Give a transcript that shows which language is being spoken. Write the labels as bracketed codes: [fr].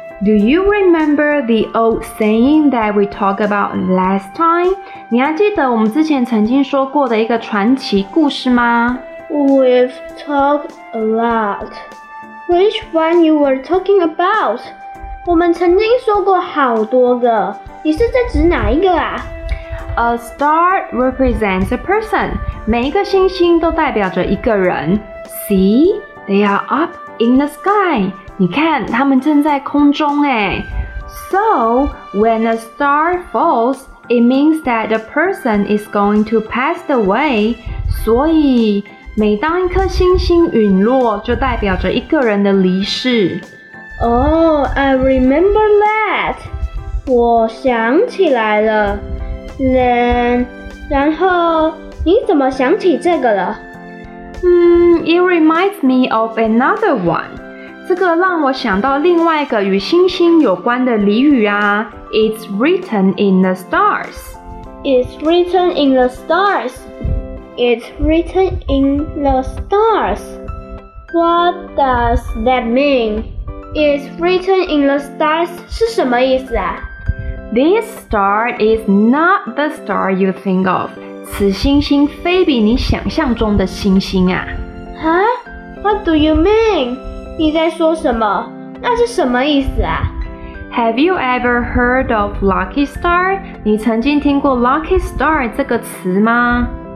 [en] Do you remember the old saying that we talked about last time? [zh] 你还记得我们之前曾经说过的一个传奇故事吗？ [en] We've talked a lot. Which one you were talking about? [zh] 我们曾经说过好多个，你是在指哪一个啊？ [en] A star represents a person. [zh] 每一个星星都代表着一个人。 [en] See? They are up in the sky. [zh] 你看，他们正在空中耶。 [en] So, when a star falls, it means that a person is going to pass away. [zh] 所以每当一颗星星陨落，就代表着一个人的离世。 [en] Oh, I remember that. [zh] 我想起来了。然后，你怎么想起这个了？ [en] It reminds me of another one. [zh] 这个让我想到另外一个与星星有关的俚语啊。 [en] It's written in the stars. It's written in the stars. It's written in the stars. What does that mean? It's written in the stars [zh] 是什么意思啊？ [en] This star is not the star you think of. [zh] 此星星非比你想象中的星星啊。 [en] Huh? What do you mean? [zh] 你在说什么？那是什么意思啊？ [en] Have you ever heard of lucky star? [zh] 你曾经听过 lucky star 这个词吗？